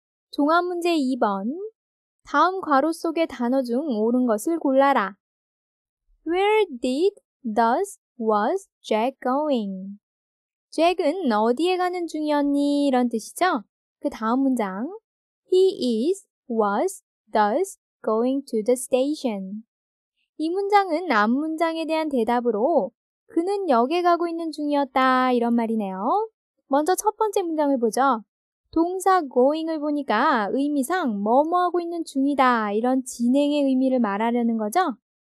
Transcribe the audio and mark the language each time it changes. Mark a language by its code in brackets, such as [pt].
[ko] 종합 문제 2번. 다음 괄호 속의 단어 중 옳은 것을 골라라. [en] Where did, does, was Jack going? [ko] 잭은 어디에 가는 중이었니? 이런 뜻이죠? 그 다음 문장. [en] He is, was, does, going to the station. [ko] 이 문장은 앞 문장에 대한 대답으로 그는 역에 가고 있는 중이었다 이런 말이네요. 먼저 첫 번째 문장을 보죠. 동사 going을 보니까 의미상 뭐뭐하고 있는 중이다 이런 진행의 의미를 말하려는 거죠.